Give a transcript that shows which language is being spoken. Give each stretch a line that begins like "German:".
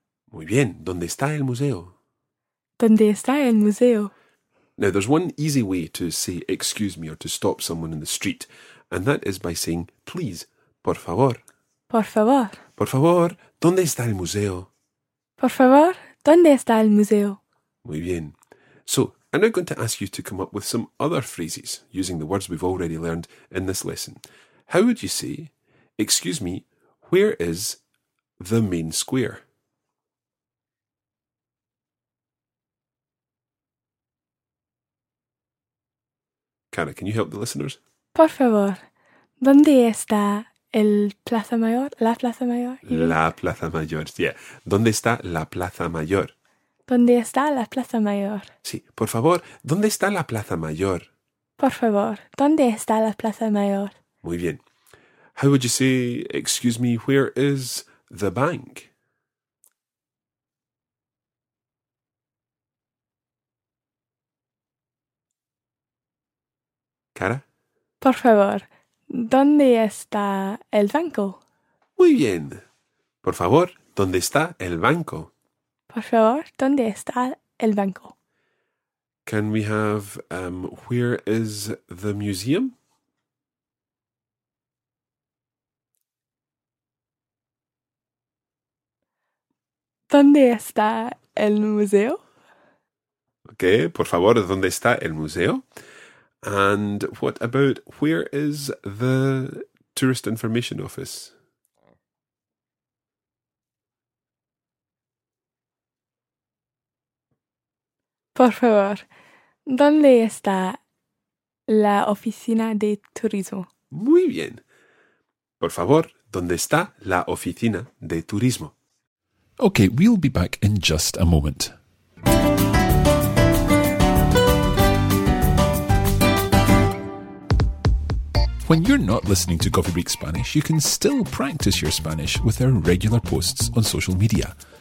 Spanish: Muy bien, ¿dónde está el museo? ¿Dónde está el museo?
English: Now, there's one easy way to say excuse me or to stop someone in the street, and that is by saying please,
Spanish: por favor. Por favor. Por favor, ¿dónde está el museo? Por favor, ¿dónde está el museo? Muy bien. So,
English: I'm now going to ask you to come up with some other phrases using the words we've already learned in this lesson. How would you say, excuse me, where is the main square? Cara, can you help the listeners?
Spanish: Por favor, ¿dónde está el Plaza Mayor? La Plaza Mayor. La Plaza Mayor, yeah. ¿Dónde está la Plaza Mayor? ¿Dónde está la Plaza Mayor? Sí, por favor, ¿dónde está la Plaza Mayor? Por favor, ¿dónde está la Plaza Mayor? Muy bien.
English: How would you say, excuse me, where is the bank? Cara?
Spanish: Por favor, ¿dónde está el banco? Muy bien. Por favor, ¿dónde está el banco? Por favor, ¿dónde está el banco?
English: Can we have, where is the museum?
Spanish: ¿Dónde está el museo? Okay, por favor, ¿dónde está el museo?
English: And what about, where is the tourist information office?
Spanish: Por favor, ¿dónde está la oficina de turismo? Muy bien. Por favor, ¿dónde está la oficina de turismo?
English: Okay, we'll be back in just a moment. When you're not listening to Coffee Break Spanish, you can still practice your Spanish with our regular posts on social media.